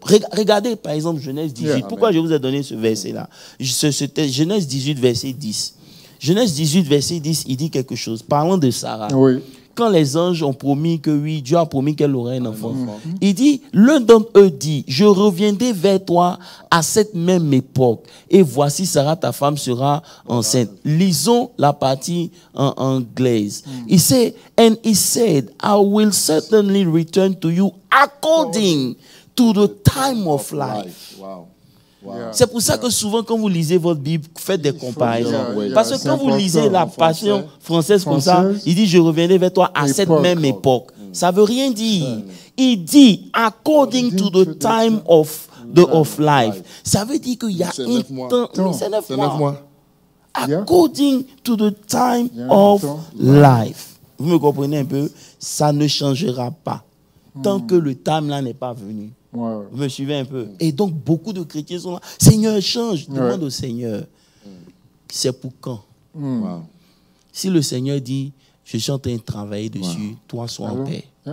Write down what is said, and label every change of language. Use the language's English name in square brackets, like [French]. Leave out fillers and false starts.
[French] Regardez par exemple Genèse 18. Pourquoi je vous ai donné ce verset-là? Genèse 18, verset 10. Genèse 18, verset 10, il dit quelque chose. Parlant de Sarah. Oui. quand les anges ont promis que oui, Dieu a promis qu'elle aurait un enfant, il dit, l'un d'entre eux dit, je reviendrai vers toi à cette même époque. Et voici, Sarah, ta femme sera enceinte. Lisons la partie en anglaise. [English] He said, and he said, I will certainly return to you according to the time of life. [French] C'est pour ça que souvent, quand vous lisez votre Bible, faites des comparaisons. Parce que quand vous lisez la passion française comme ça, il dit, je reviendrai vers toi à cette même époque. Ça ne veut rien dire. Il dit, [English] according to the time of the of life. [French] Ça veut dire qu'il y a un temps. C'est 9 mois. [English] According to the time of life. [French] Vous me comprenez un peu? Ça ne changera pas. Tant que le time là n'est pas venu. Ouais. Vous me suivez un peu? Et donc, beaucoup de chrétiens sont là. Seigneur, change. Demande au Seigneur. C'est pour quand? Si le Seigneur dit, je suis en train de travailler dessus, toi sois en paix.